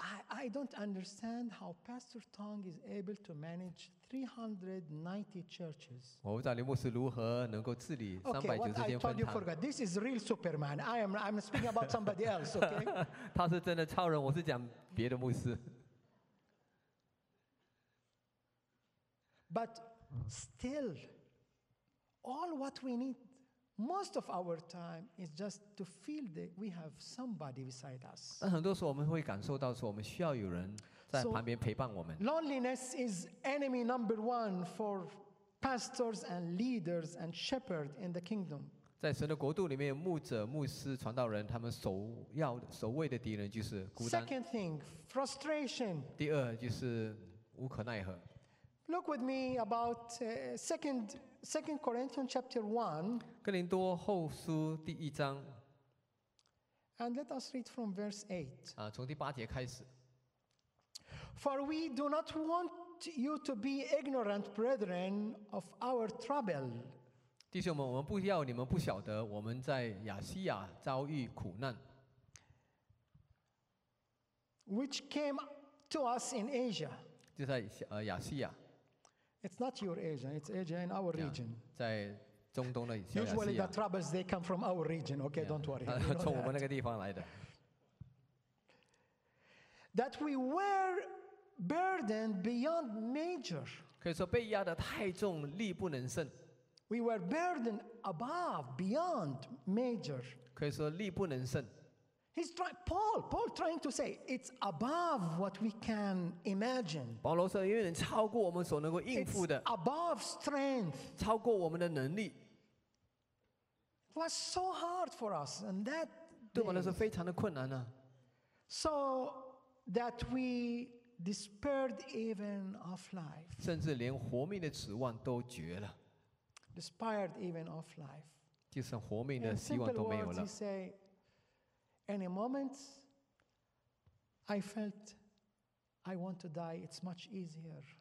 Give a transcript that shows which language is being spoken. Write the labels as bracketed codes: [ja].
[en] I don't understand how Pastor Tong is able to manage 390 churches. [zh] 我不知道林牧师如何能够治理390间分堂。 [en] Okay, what I told you forgot. This is real Superman. I'm speaking about somebody else. Okay. [zh] 他是真的超人，我是讲别的牧师。 [en] But still, all what we need. Most of our time is just to feel that we have somebody beside us. [zh] 但很多时候我们会感受到说我们需要有人在旁边陪伴我们。 [en] So, loneliness is enemy number one for pastors and leaders and shepherds in the kingdom. [zh] 在神的国度里面，牧者、牧师、传道人，他们首位的敌人就是孤单。 [en] Second thing, frustration. [zh] 第二就是无可奈何。 [en] Look with me about Second Corinthians chapter 1. [zh] 哥林多后书第一章。 [en] And let us read from verse 8. [zh] 从第八节开始。 [en] For we do not want you to be ignorant, brethren, of our trouble. [zh] 弟兄们，我们不要你们不晓得我们在亚西亚遭遇苦难。 [en] Which came to us in Asia. [zh] 就在亚西亚。 [en] It's not your Asia. It's Asia in our region. [zh] 在中东的亚细亚。 [en] Usually the troubles they come from our region. Okay, yeah, don't worry. [zh] 从我们那个地方来的。 [en] That we were burdened beyond measure. [zh] 可以说被压得太重，力不能胜。 [en] We were burdened above, beyond measure. [zh] 可以说力不能胜。 [en] He's trying. Paul trying to say it's above what we can imagine. [zh] 保罗说，因为超过我们所能够应付的。 [en] It's above strength. [zh] 超过我们的能力。 [en] It was so hard for us, and that [zh] 对我们来说非常的困难呢。 [en] So that we despaired even of life. [zh] 甚至连活命的指望都绝了。 [en] Despaired even of life. [zh] 就是活命的希望都没有了。 [en] He said, "Any moment, I felt I want to die. It's much easier."